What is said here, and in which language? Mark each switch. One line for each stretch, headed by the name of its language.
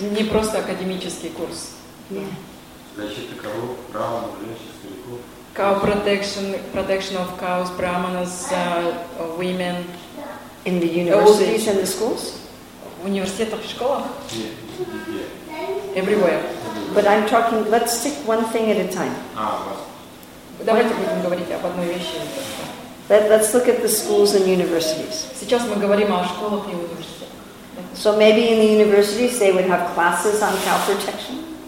Russian: Не просто академический курс. Защита коров, брахманов, женщин, стариков.
English: Cow protection of cows, brahmanas, women. In the universities and the schools?
Russian: В университетах и школах?
English: Yeah. Everywhere. But I'm talking, let's stick one thing at a time.
Russian: Давайте будем говорить об одной вещи.
English: Let's look at the schools and universities.
Russian: Сейчас мы говорим о школах и университетах.
English: So maybe in the universities they would have classes on cow protection?